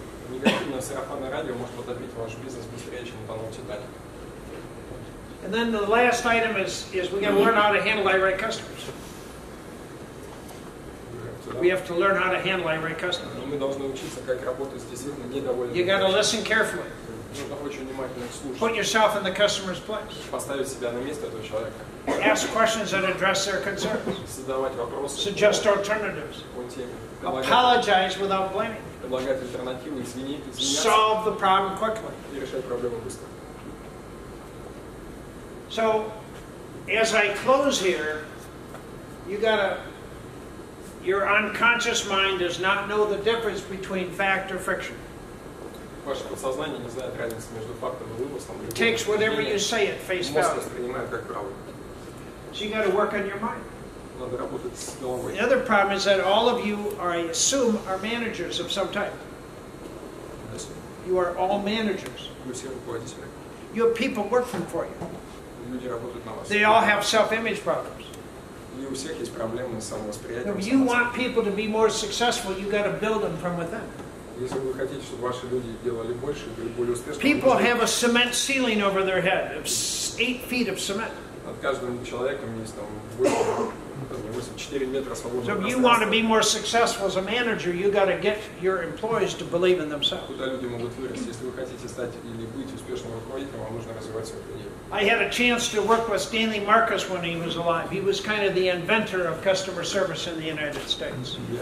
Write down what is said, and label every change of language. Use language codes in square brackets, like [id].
[ru] Негативное сарафанное радио может потопить ваш бизнес быстрее, чем утонул Титаник. [en] And then the last item is we got to learn how to handle irate customers. We have to learn how to handle irate customers. [ru] Мы должны учиться, как работать с действительно недовольными. [en] You got to listen carefully. [ru] Нужно очень внимательно слушать. [en] Put yourself in the customer's place. [ru] Поставить себя на место этого человека. [en] Ask questions that address their concerns. [ru] Задавать вопросы. [en] Suggest alternatives. [ru] По теме. [en] Apologize without blaming. [ru] Предлагать альтернативы, извиняться. [en] Solve the problem quickly. [ru] И решать проблему быстро. [en] So, as I close here, you got to. Your unconscious mind does not know the difference between fact or fiction. [ru] Ваше подсознание не знает разницы между фактом и вымыслом. [en] It takes whatever you say at face value. [ru] Мозг воспринимает как правду. [en] So you got to work on your mind. [ru] Надо работать с головой. [en] The other problem is that all of you, I assume, are managers of some type. Yes. You are all managers. [ru] Вы все руководители. [en] You have people working for you. [ru] Люди работают на вас. [en] They all have self-image problems. [ru] И у всех есть проблемы с самовосприятием. [en] If you want people to be more successful, you got to build them from within. [ru] Если вы хотите, чтобы ваши люди делали больше, были более успешными. [en] People have a cement ceiling over their head, 8 feet of cement. [ru] Над каждым человеком есть там 4 метра свободного пространства. [en] So if you want to be more successful as a manager, you got to get your employees to believe in themselves. [ru] Куда люди могут вырасти? Если вы хотите стать или быть успешным руководителем, вам нужно развивать свою идею. [en] I had a chance to work with Stanley Marcus when he was alive. He was kind of the inventor of customer service in the United States.